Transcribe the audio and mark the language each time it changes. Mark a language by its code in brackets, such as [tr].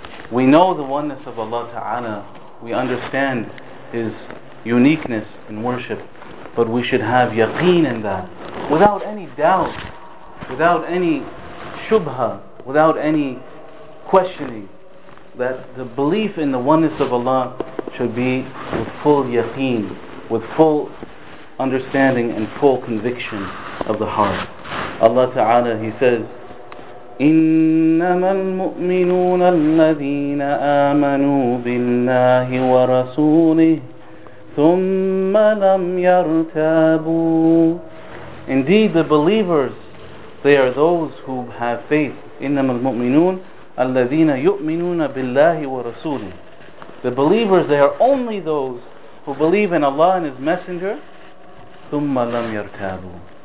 [en] We know the oneness of Allah Ta'ala, we understand His uniqueness in worship, but we should have yaqeen in that, without any doubt, without any shubha, without any questioning, that the belief in the oneness of Allah should be with full yaqeen, with full understanding and full conviction of the heart. Allah Ta'ala, He says, [ar] إِنَّمَا الْمُؤْمِنُونَ الَّذِينَ آمَنُوا بِاللَّهِ وَرَسُولِهِ ثُمَّ لَمْ يَرْتَابُوا. [en] Indeed, the believers, they are those who have faith. [ar] إِنَّمَا الْمُؤْمِنُونَ الَّذِينَ يُؤْمِنُونَ بِاللَّهِ وَرَسُولِهِ. [en] The believers, they are only those who believe in Allah and His Messenger. [ar] ثُمَّ لَمْ يَرْتَابُوا.